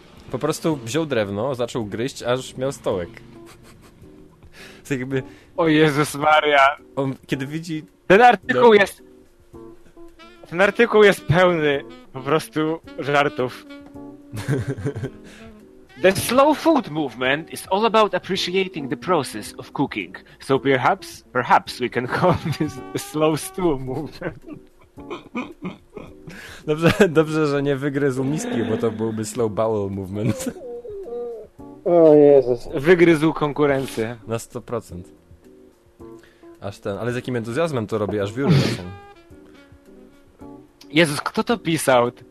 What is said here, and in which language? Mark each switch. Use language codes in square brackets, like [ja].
[pl] Po prostu wziął drewno, zaczął gryźć, aż miał stołek. To jakby... O Jezus Maria. On kiedy widzi... Ten artykuł jest... Ten artykuł jest pełny po prostu żartów. [en] The slow food movement is all about appreciating the process of cooking. So perhaps we can call this the slow stool movement. [pl] Dobrze, że nie wygryzł miski, bo to byłby [en] slow bowel movement. [pl] O Jezus. Wygryzł konkurencję. Na 100%. Aż ten, ale z jakim entuzjazmem to robi, aż wióry są. Jezus, kto to pisał?